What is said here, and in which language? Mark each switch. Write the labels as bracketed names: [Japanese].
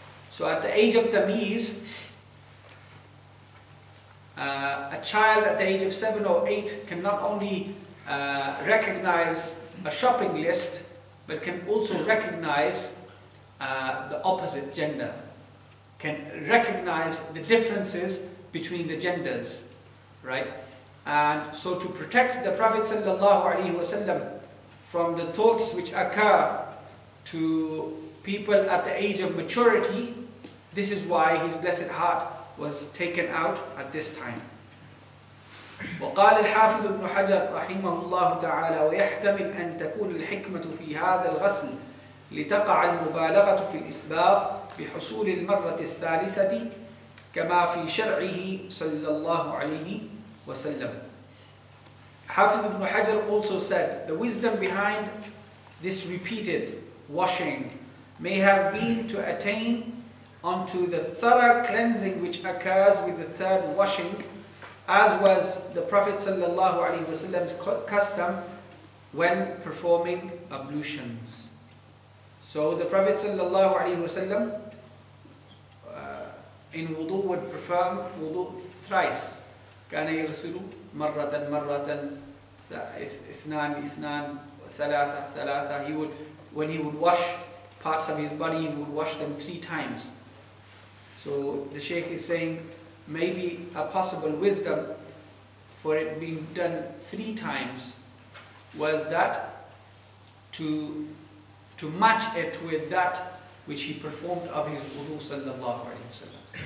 [English] So at the age of Tamiz, a child at the age of 7 or 8 can not only recognize a shopping list, but can also recognize the opposite gender, can recognize the differences between the genders, right? And so to protect the Prophet sallallahu alaihi wasallam from the thoughts which occur to people at the age of maturity, this is why his blessed heart was taken out at this time. [Arabic] وقال الحافظ ابن حجر رحمه الله تعالى ويحتمل أن تكون الحكمة في هذا الغسل لتقع المبالغة في الإسباغ بحصول المرة الثالثة كما في شرعه صلى الله عليه وسلم. [English] Hafiz ibn Hajar also said, the wisdom behind this repeated washing may have been to attain onto the thorough cleansing which occurs with the third washing, as was the Prophet sallallahu alaihi wasallam's custom when performing ablutions. So the Prophet sallallahu alaihi wasallam in wudu would perform wudu thrice. [Arabic] كان يغسل مرة مرة اثنان اثنان ثلاثة ثلاثة. [English] He would, when he would wash parts of his body, he would wash them 3 times. So the Shaykh is saying maybe a possible wisdom for it being done 3 times was that to match it with that which he performed of his wudu sallallahu alayhi wa sallam.